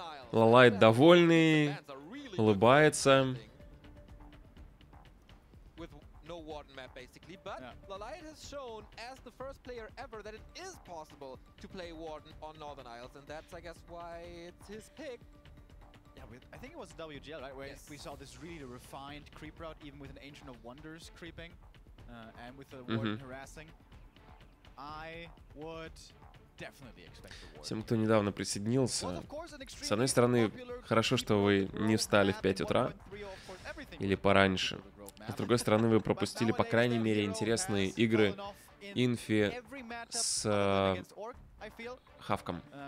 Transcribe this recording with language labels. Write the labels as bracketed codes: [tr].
[ru] Лолайт довольный, улыбается. [en] Лолайт has shown as the first player ever that it is possible to play Warden on Northern Isles, and that's, I guess, why it's his pick. I think it was WGL, right? Where yes. We saw this really refined creep route, even with an Ancient of Wonders creeping, and with the Warden harassing. I would definitely expect the Warden. [ru] Всем, кто недавно присоединился, с одной стороны, хорошо, что вы не встали в 5 утра, или пораньше. С другой стороны, вы пропустили, по крайней мере, интересные игры Инфи с Хавком.